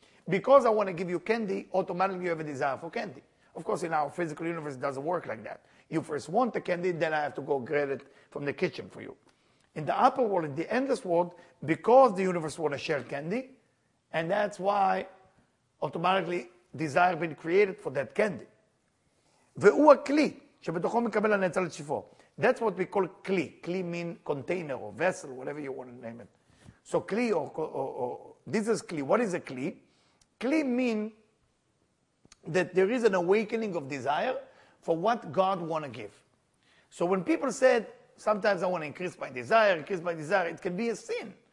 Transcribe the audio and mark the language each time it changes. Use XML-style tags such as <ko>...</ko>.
<en>Because I want to give you candy, automatically you have a desire for candy. Of course, in our physical universe, it doesn't work like that. You first want the candy, then I have to go grab it from the kitchen for you. In the upper world, in the endless world, because the universe wants to share candy, and that's why automatically, desire been created for that candy.</en> <he>והוא הכלי שבתוכו מקבל הנאצל את שפעו.</he> <en>That's what we call כלי. כלי mean container or vessel, whatever you want to name it. So כלי or this is כלי. What is a כלי? כלי mean that there is an awakening of desire for what God want to give. So when people said, sometimes I want to increase my desire, it can be a sin.</en>